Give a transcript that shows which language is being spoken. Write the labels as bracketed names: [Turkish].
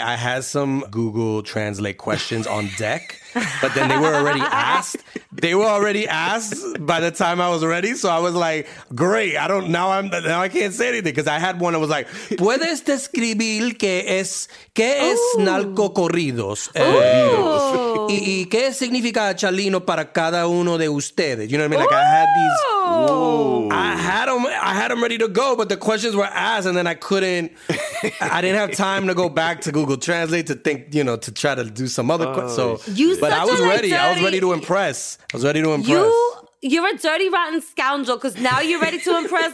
[English] I had some Google Translate questions on deck, but then they were already asked. They were already asked by the time I was ready. So I was like, great. Now I can't say anything because I had one that was like, [Spanish] ¿Puedes describir qué es narcocorridos? ¿Y qué significa chalino para cada uno de ustedes? [English] You know what I mean? Like, I had these. I had them ready to go, but the questions were asked, and then I couldn't. I didn't have time to go back to Google Translate to think, you know, to try to do some other questions. But I was ready. I was ready to impress. You're a dirty, rotten scoundrel, because now you're ready to impress.